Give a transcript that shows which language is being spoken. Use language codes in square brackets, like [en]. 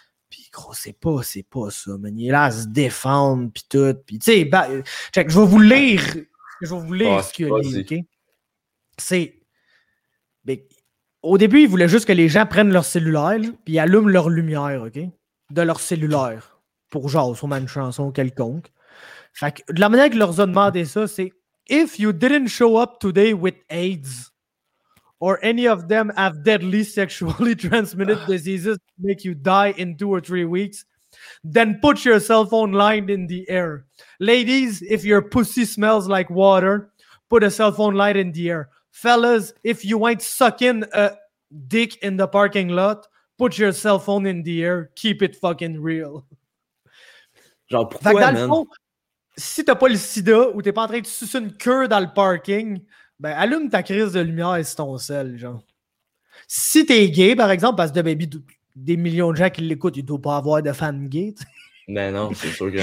[fr] Puis gros, c'est pas ça, man. Il est là à se défendre, puis tout, puis tu sais, ben, je vais vous lire ce qu'il y a dit, ok? C'est. Ben, au début, il voulait juste que les gens prennent leur cellulaire puis allument leur lumière, OK? De leur cellulaire pour genre sur une chanson quelconque. Fait que de la manière qu'il leur a demandé ça, c'est [en] If you didn't show up today with AIDS, or any of them have deadly sexually transmitted diseases that make you die in 2 or 3 weeks, then put your cell phone line in the air. Ladies, if your pussy smells like water, put a cell phone line in the air. Fellas, if you ain't sucking a dick in the parking lot, put your cell phone in the air. Keep it fucking real. [fr] Genre, pourquoi, man? Fond, si t'as pas le sida ou t'es pas en train de sucer une queue dans le parking, ben allume ta crise de lumière et c'est ton sel, genre. Si t'es gay, par exemple, parce que de baby, des millions de gens qui l'écoutent, ils doivent pas avoir de fans gays. T'sais. Ben non, c'est sûr que non.